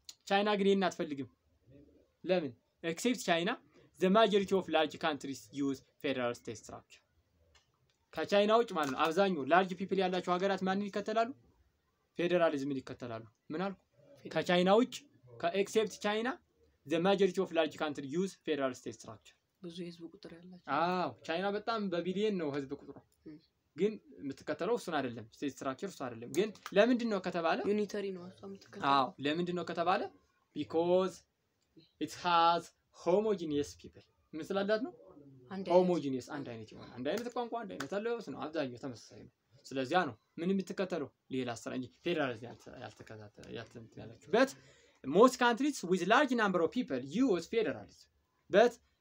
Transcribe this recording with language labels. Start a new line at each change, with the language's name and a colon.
Amharic: China ግን እናትፈልግም። ለምን?
English: except China the majority of large countries use federal state structure.
Amharic: ከቻይና ውጭ ማለት ነው አብዛኛው large people ያላቸው ሀገራት ማንን ይከተላሉ? federalism ይከተላሉ። ምን አልኩ? ከቻይና ውጭ
English: except China the majority of large countries use federal state structure.
Amharic: ብዙ ህዝብ ቁጥር ያላቸው። አዎ ቻይና በጣም በቢሊየን ነው ህዝብ ቁጥሩ። ግን የምትከተለው እሱን አይደለም ስቴት ስትራክቸር እሱ አይደለም ግን ለምንድን ነው ከተባለ ዩኒተሪ ነው እሱ የምትከተለው አዎ ለምንድን ነው ከተባለ
English: because it has homogeneous people
Amharic: ምን ስላላት ነው homogeneous አንድ አይነት ይሆናል አንድ አይነት ቋንቋ አንድ አይነት አለባበስ ነው አብዛኛው ተመሳሳይ ነው ስለዚህ ያ ነው ምን የምትከተለው ሌላ ስራ እንጂ ፌደራሊዝም ያልተከታተ ያለችው
English: but most countries with large number of people use federalism but